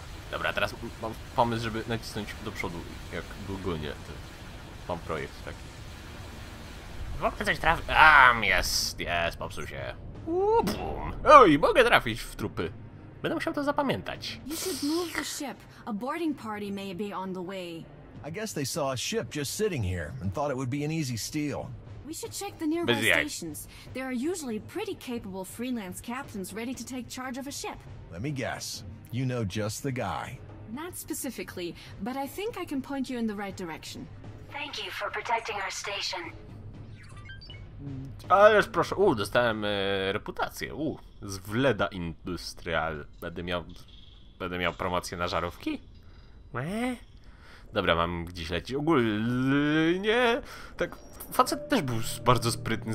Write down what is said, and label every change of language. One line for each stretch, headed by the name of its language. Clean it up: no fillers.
Polish: Dobra, teraz mam pomysł, żeby nacisnąć do przodu. Jak długo nie. Mam projekt taki. Mogę coś trafić. Jest, popsuł się. Bum. Oj, mogę trafić w trupy. Będę musiał to zapamiętać.
English: You should move the ship. A boarding party may be on the way. I guess they saw a ship just sitting here and thought it would be an easy steal. We should check the nearby stations. There are usually pretty capable freelance captains ready to take charge of a ship. Let me guess. You know just the guy. Not specifically, but I think I can point you in the right direction. Thank you for protecting our station.
Polish: Ależ proszę, dostałem reputację, z Wleda Industrial. Będę miał promocję na żarówki? Dobra, mam gdzieś lecieć. Ogólnie, tak, facet też był bardzo sprytny.